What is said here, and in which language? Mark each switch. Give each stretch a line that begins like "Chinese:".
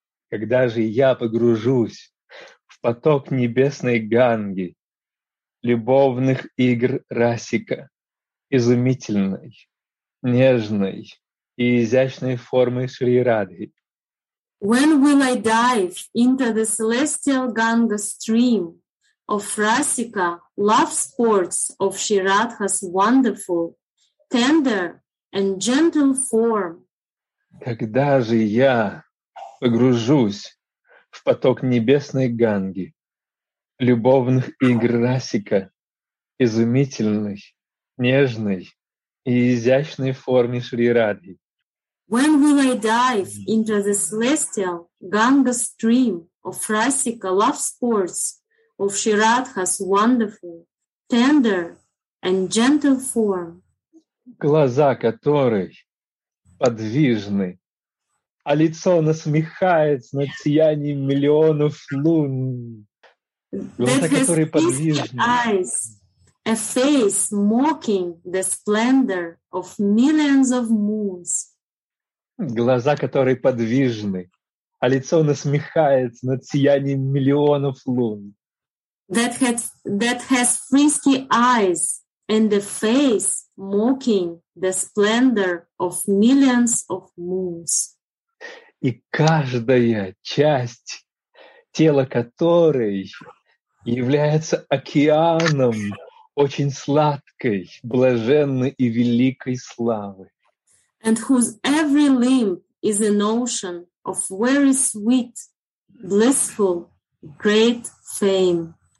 Russian: Когда же я погружусь в поток небесной Ганги, любовных игр Расика, изумительной, нежной и изящной формы Шри Радхи?
English: When will I dive into the celestial Ganga stream of Rasika, love sports of Shri Radha's wonderful, tender and gentle form?
Russian: Когда же я погружусь в поток небесной Ганги, любовных игр Расика, изумительной, нежной и изящной форме Шри Радхи?
English: When will I dive into the celestial Ganga stream of Rasika love sports of Shri Radha's wonderful, tender and gentle form?
Russian: Глаза которой подвижны, а лицо насмехается над сиянием миллионов лун. Глаза которой подвижны.
English: A face mocking the splendor of millions of moons.
Russian: Глаза, которые подвижны, а лицо насмехается над сиянием миллионов лун.
English: That has frisky eyes and a face mocking the splendor of millions of moons.
Russian: И каждая часть тела которой является океаном очень сладкой, блаженной и великой славы.
English: And whose every limb is an ocean of very sweet, blissful, great fame.